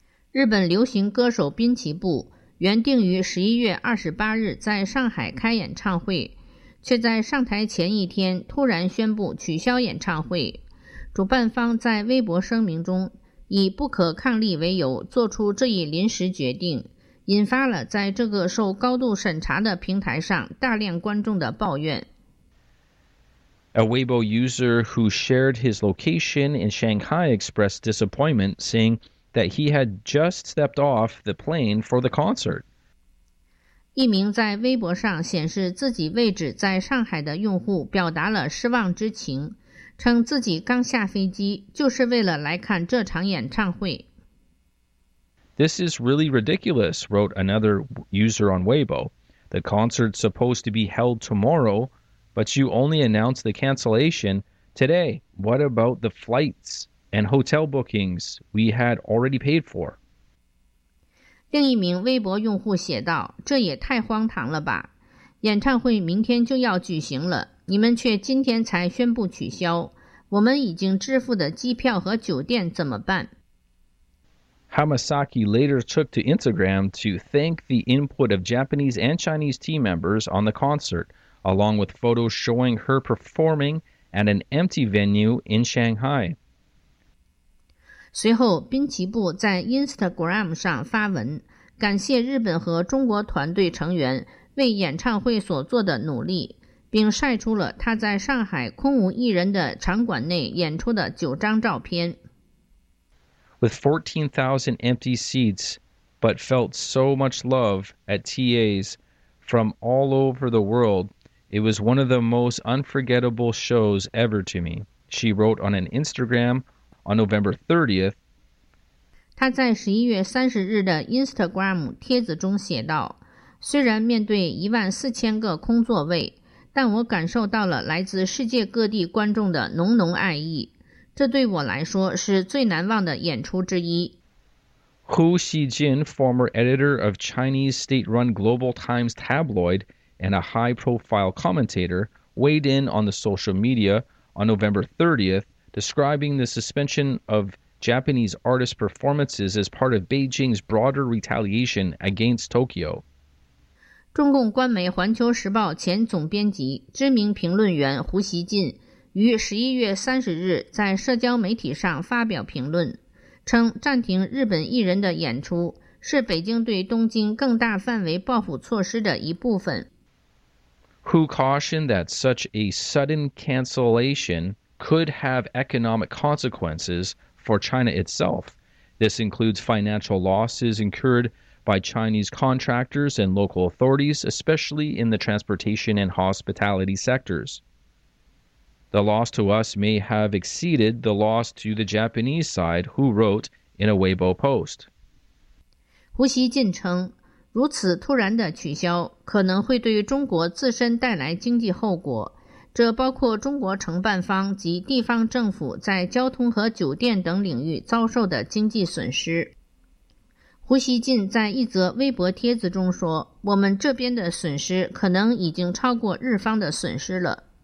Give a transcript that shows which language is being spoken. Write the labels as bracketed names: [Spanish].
[Chinese] 日本流行歌手滨崎步原定于11月28日在上海开演唱会，却在上台前一天突然宣布取消演唱会。主办方在微博声明中以不可抗力为由做出这一临时决定，引发了在这个受高度审查的平台上大量观众的抱怨。 [English] A Weibo user who shared his location in Shanghai expressed disappointment, saying that he had just stepped off the plane for the concert. [Chinese] 一名在微博上显示自己位置在上海的用户表达了失望之情，称自己刚下飞机就是为了来看这场演唱会。 [English] This is really ridiculous, wrote another user on Weibo. The concert's supposed to be held tomorrow, but you only announced the cancellation today. What about the flights and hotel bookings we had already paid for? [Chinese] 另一名微博用户写道，这也太荒唐了吧。演唱会明天就要举行了，你们却今天才宣布取消。我们已经支付的机票和酒店怎么办？ [English] Hamasaki later took to Instagram to thank the input of Japanese and Chinese team members on the concert, along with photos showing her performing at an empty venue in Shanghai. [Chinese] 随后，滨崎步在 Instagram 上发文，感谢日本和中国团队成员为演唱会所做的努力，并晒出了他在上海空无一人的场馆内演出的九张照片。 [English] With 14,000 empty seats, but felt so much love at TAs from all over the world, it was one of the most unforgettable shows ever to me, she wrote on an Instagram on November 30th. [Chinese] 她在11月30日的 Instagram 帖子中写道，虽然面对14,000个空座位，但我感受到了来自世界各地观众的浓浓爱意。这对我来说是最难忘的演出之一。 [English] Hu Xijin, former editor of Chinese state-run Global Times tabloid and a high-profile commentator, weighed in on the social media on November 30th, describing the suspension of Japanese artist performances as part of Beijing's broader retaliation against Tokyo. [Chinese] 中共官媒《环球时报》前总编辑、知名评论员胡锡进于11月30日在社交媒体上发表评论，称暂停日本艺人的演出是北京对东京更大范围报复措施的一部分。 [English] Who cautioned that such a sudden cancellation could have economic consequences for China itself? This includes financial losses incurred by Chinese contractors and local authorities, especially in the transportation and hospitality sectors. The loss to us may have exceeded the loss to the Japanese side, who wrote in a Weibo post. [Chinese] 胡锡进称，如此突然的取消可能会对中国自身带来经济后果，这包括中国承办方及地方政府在交通和酒店等领域遭受的经济损失。胡锡进在一则微博帖子中说，我们这边的损失可能已经超过日方的损失了。